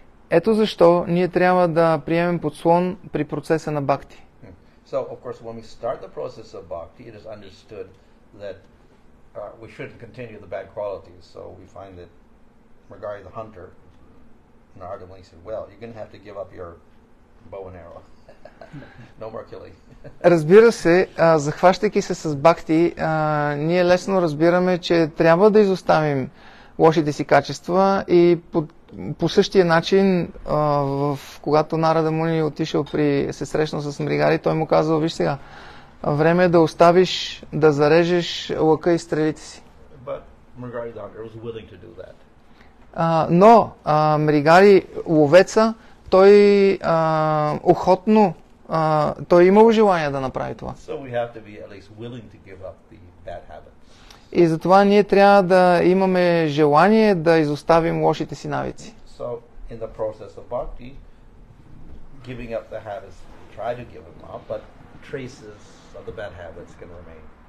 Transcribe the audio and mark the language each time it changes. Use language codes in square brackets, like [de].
[bg] Ето защо ние трябва да приемем подслон при процеса на бхакти. [en] So, of course, when we start the process of bhakti, it is understood that we shouldn't continue the bad qualities. So we find that regarding the hunter, Narada Muni said, well, you're going to have to give up your bow and arrow. No more killing. [bg] Разбира се, захващайки се с бхакти, ние лесно разбираме, че трябва да изоставим лошите си качества и по същия начин, когато Нарада Муни отишъл при се срещнал с Мригари, той му казал, виж сега, време е да оставиш, да зарежеш лъка и стрелите си. [en] But Mrigari Dhanker was willing to do that. [bg] Мригари ловеца, той охотно, той имал желание да направи това. [en] So we have to be at least willing to give up the bad habits. [bg] И затова ние трябва да имаме желание да изоставим лошите си навици. [en] So in the process of bhakti, giving up the habits, try to give them up, but traces of the bad habits can remain.